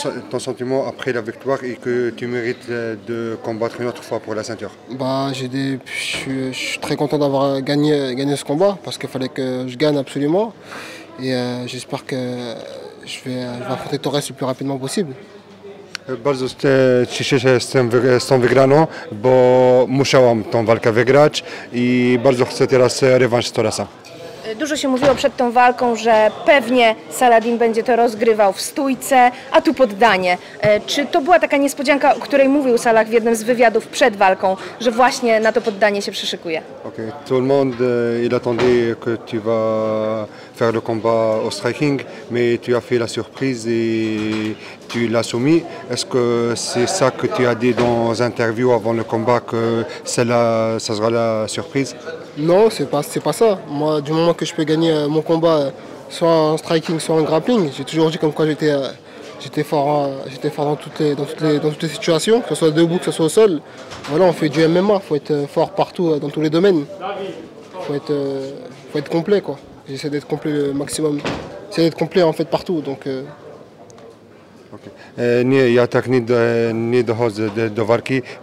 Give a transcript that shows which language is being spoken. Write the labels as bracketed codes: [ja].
[fr] Ton sentiment après la victoire et que tu mérites de combattre une autre fois pour la ceinture? Bah, je suis très content d'avoir gagné ce combat parce qu'il fallait que je gagne absolument. Et j'espère que je vais affronter Torres le plus rapidement possible. [pl] Bardzo cieszę się z tą wygraną, bo musiałam tą walkę wygrać i bardzo chcę teraz rewanż z Torresa. Dużo się mówiło przed tą walką, że pewnie Saladin będzie to rozgrywał w stójce, a tu poddanie. Czy to była taka niespodzianka, o której mówił Salah w jednym z wywiadów przed walką, że właśnie na to poddanie się przyszykuje? Okay. [fr] Tout le monde il attendait que tu vas faire le combat au striking, mais tu as fait la surprise et tu l'as soumis. Est-ce que c'est ça que tu as dit dans interview avant le combat, que ça sera la surprise? Non, c'est pas ça. Moi, du moment que je peux gagner mon combat, soit en striking, soit en grappling, j'ai toujours dit comme quoi j'étais fort dans toutes les situations, que ce soit debout, que ce soit au sol. Voilà, on fait du MMA, faut être fort partout, dans tous les domaines. Faut être complet, quoi. J'essaie d'être complet le maximum. J'essaie d'être complet, en fait, partout, donc... [pl] Nie, ja tak nie dochodzę do walki.